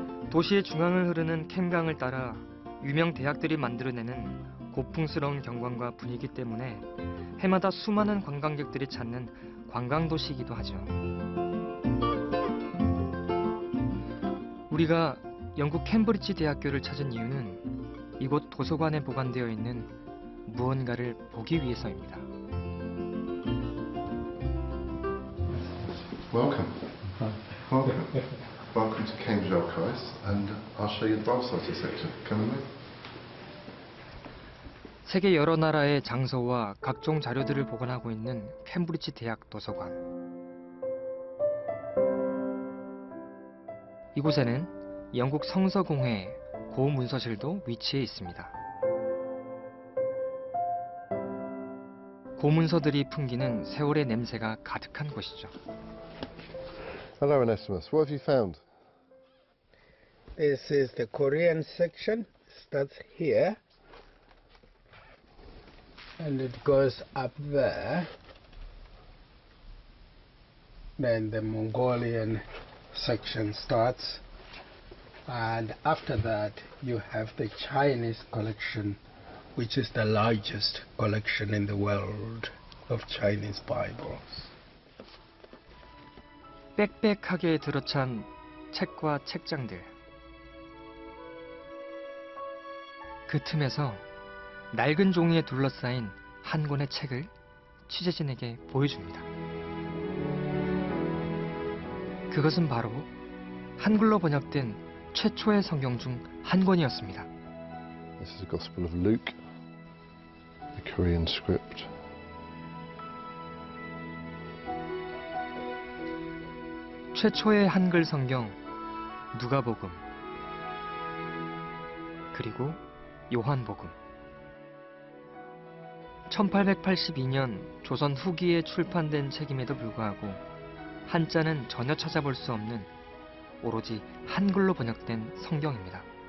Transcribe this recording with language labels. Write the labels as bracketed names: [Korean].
[Korean] 도시의 중앙을 흐르는 캠강을 따라 유명 대학들이 만들어내는 고풍스러운 경관과 분위기 때문에 해마다 수많은 관광객들이 찾는 관광도시이기도 하죠. 우리가 영국 캠브리지 대학교를 찾은 이유는 이곳 도서관에 보관되어 있는 무언가를 보기 위해서입니다. [English] Welcome to Cambridge Archives, and I'll show you the bronze society section. Come with. [Korean] 세계 여러 나라의 장소와 각종 자료들을 보관하고 있는 캠브리지 대학 도서관. 이곳에는 영국 성서 공회 고문서실도 위치해 있습니다. 고문서들이 풍기는 세월의 냄새가 가득한 곳이죠. [English] Hello, Onesimus. What have you found? This is the Korean section. Starts here. And it goes up there. Then the Mongolian section starts. And after that, you have the Chinese collection, which is the largest collection in the world of Chinese Bibles. [Korean] 빽빽하게 들어찬 책과 책장들. 그 틈에서 낡은 종이에 둘러싸인 한 권의 책을 취재진에게 보여줍니다. 그것은 바로 한글로 번역된 최초의 성경 중 한 권이었습니다. [English] This is the Gospel of Luke, the Korean script. [Korean] 최초의 한글 성경, 누가복음, 그리고 요한복음. 1882년 조선 후기에 출판된 책임에도 불구하고 한자는 전혀 찾아볼 수 없는 오로지 한글로 번역된 성경입니다.